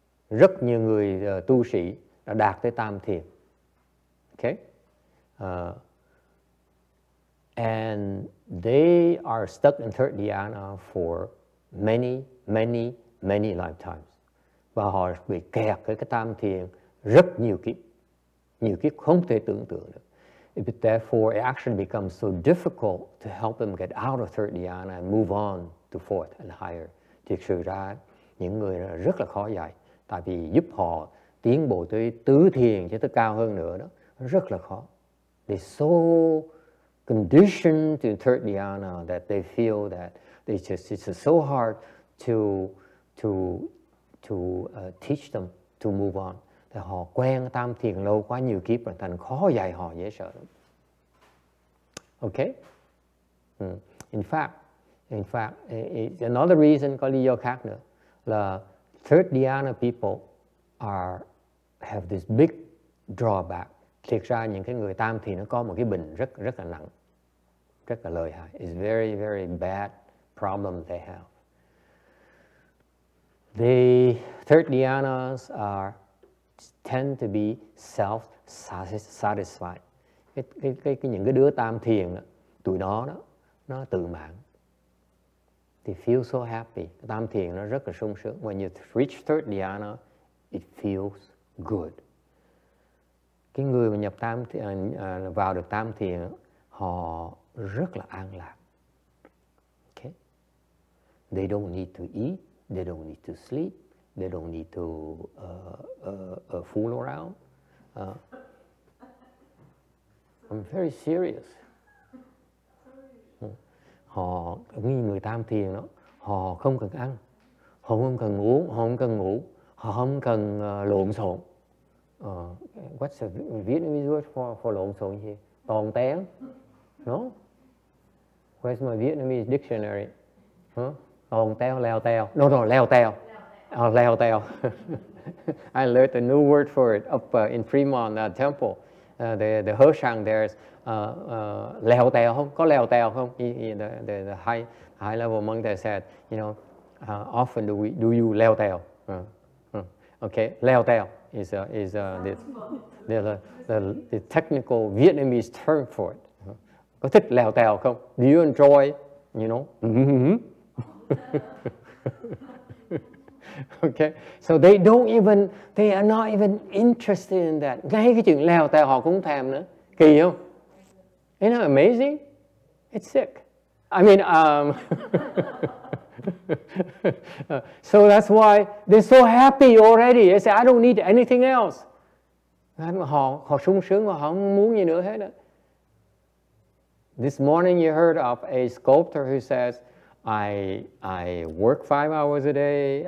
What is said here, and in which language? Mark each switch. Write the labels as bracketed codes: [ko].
[vi] Rất nhiều người tu sĩ đã đạt tới tam thiền. [en] Okay. And they are stuck in third dhyana for many, many, many lifetimes. [vi] Và họ bị kẹt với cái tam thiền rất nhiều kiếp không thể tưởng tượng được. [en] Therefore, it actually becomes so difficult to help them get out of third dhyana and move on to fourth and higher. [vi] Thực sự ra, những người rất là khó dạy, tại vì giúp họ tiến bộ tới tứ thiền cho tới cao hơn nữa đó rất là khó. [en] They're so conditioned to third dhyana that they feel that they just it's so hard to teach them to move on. [vi] Thì họ quen tam thiền lâu quá nhiều kiếp rồi thành khó dạy họ dễ sợ lắm. [en] Okay. In fact, it's another reason [vi] có lý do khác nữa là [en] third dhyana people have this big drawback. [vi] Thực ra những cái người tam thiền nó có một cái bệnh rất rất là nặng, rất là lợi hại. [en] It's very very bad problem they have. The third dhyanas tend to be self-satisfied. [vi] Cái những cái đứa tam thiền đó, tụi nó đó, nó tự mãn. [en] They feel so happy. [vi] Tam thiền nó rất là sung sướng. [en] When you reach third dhyana, it feels good. [vi] Cái người mà nhập tam thiền, vào được tam thiền, họ rất là an lạc. [en] Okay. They don't need to eat. They don't need to sleep. They don't need to fool around. I'm very serious. [vi] Họ như người tam thiền đó, họ không cần ăn, họ không cần uống, họ không cần ngủ, họ không cần lộn xộn. [en] What's the Vietnamese word for lộn xộn here? Tòn tén, no? Where's my Vietnamese dictionary? [vi] Tòn tèo, leo tèo. No, leo tèo. Leo tèo. [en] I learned a new word for it up in Fremont temple. The Hoshang there is [vi] leo tèo không? Có leo tèo không? [en] The high level monk there said, you know, often do you leo tèo? Okay, leo tèo is the technical Vietnamese term for it. [vi] Có thích leo tèo không? [en] Do you enjoy, you know? Okay, so they are not even interested in that. [vi] Ngay cái chuyện leo tèo họ cũng thèm nữa. Kỳ không? [en] Isn't that amazing? It's sick. I mean, so that's why they're so happy already. They say, I don't need anything else. [vi] Họ sung sướng và họ không muốn gì nữa hết. [en] This morning you heard of a sculptor who says, I work 5 hours a day.